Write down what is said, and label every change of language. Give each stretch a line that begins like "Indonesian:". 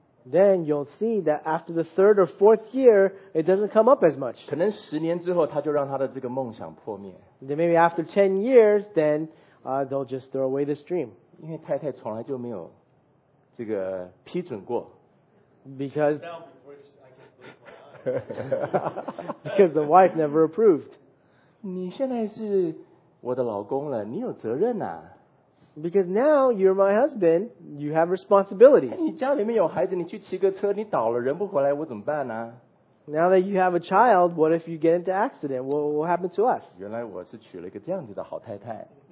English: Then you'll see that after the third or fourth year, it doesn't come up as much.
Chinese: 可能十年之后，他就让他的这个梦想破灭。
English: Then maybe after 10 years, then they'll just throw away this dream.
Chinese: 因为太太从来就没有这个批准过。
English: Because the wife never approved.
Chinese: 你现在是我的老公了，你有责任啊。
English: Because now you're my husband, you have responsibilities.
Chinese: 你家里面有孩子，你去骑个车，你倒了，人不回来，我怎么办啊？
English: Now that you have a child, what if you get into accident? What happened to us?
Chinese: 原来我是娶了一个这样子的好太太。